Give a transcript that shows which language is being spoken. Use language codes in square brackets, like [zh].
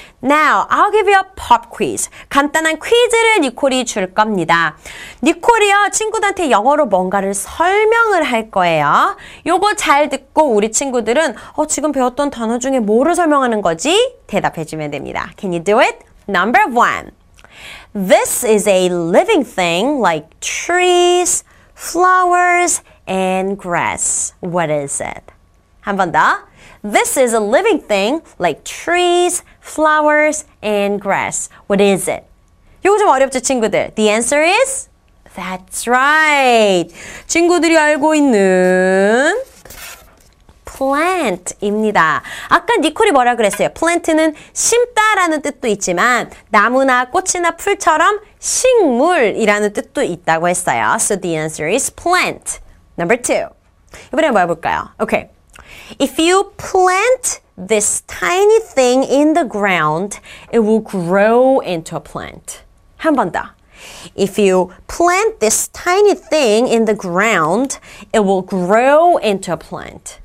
[en] Now, I'll give you a pop quiz. [ko] 간단한 퀴즈를 니콜이 줄 겁니다. 니콜이요, 친구들한테 영어로 뭔가를 설명을 할 거예요. 요거 잘 듣고 우리 친구들은 지금 배웠던 단어 중에 뭐를 설명하는 거지? 대답해주면 됩니다. [en] Can you do it? Number one. This is a living thing like trees, flowers, and grass. What is it? [ko] 한 번 더. [en] This is a living thing like trees, flowers, and grass. What is it? [ko] 이거 좀 어렵죠, 친구들? [en] The answer is? That's right. [ko] 친구들이 알고 있는 plant입니다. 아까 니콜이 뭐라 그랬어요? plant는 심다라는 뜻도 있지만 나무나 꽃이나 풀처럼 식물이라는 뜻도 있다고 했어요. [en] So the answer is plant. Number two. [ko] 이번에 뭐 해볼까요? [en] Okay. If you plant this tiny thing in the ground, it will grow into a plant. [ko] 한 번 더. [en] If you plant this tiny thing in the ground, it will grow into a plant.